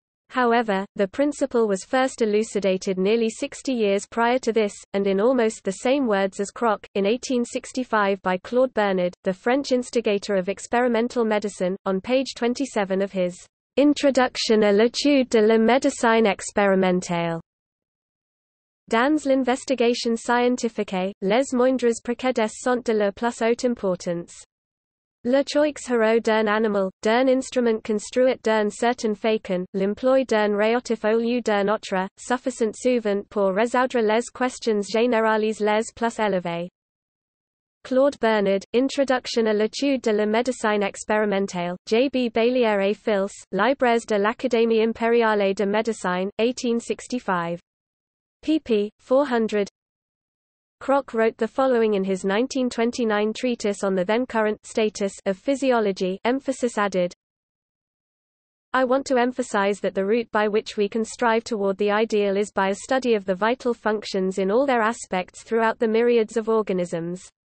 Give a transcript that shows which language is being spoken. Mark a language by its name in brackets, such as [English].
[English] However, the principle was first elucidated nearly 60 years prior to this, and in almost the same words as Krogh, in 1865 by Claude Bernard, the French instigator of experimental medicine, on page 27 of his Introduction à l'étude de la médecine expérimentale. [French] Dans l'investigation scientifique, les moindres précédents sont de la plus haute importance. Le choix hero d'un animal, d'un instrument construit d'un certain faken, l'emploi d'un réotif au lieu d'un autre, sufficient souvent pour résoudre les questions générales les plus élevées. Claude Bernard, Introduction à l'étude de la médecine expérimentale, J.B. Bailière et Fils, Libres de l'Académie impériale de médecine, 1865. pp. 400. [English] Krogh wrote the following in his 1929 treatise on the then-current status of physiology, emphasis added. I want to emphasize that the route by which we can strive toward the ideal is by a study of the vital functions in all their aspects throughout the myriads of organisms.